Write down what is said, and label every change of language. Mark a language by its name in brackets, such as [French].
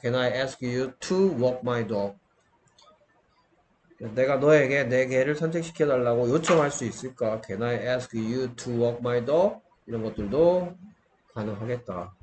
[English] Can I ask you to walk my dog? [Korean] 내가 너에게 내 개를 산책시켜 달라고 요청할 수 있을까? [English] Can I ask you to walk my dog? [Korean] 이런 것들도 가능하겠다.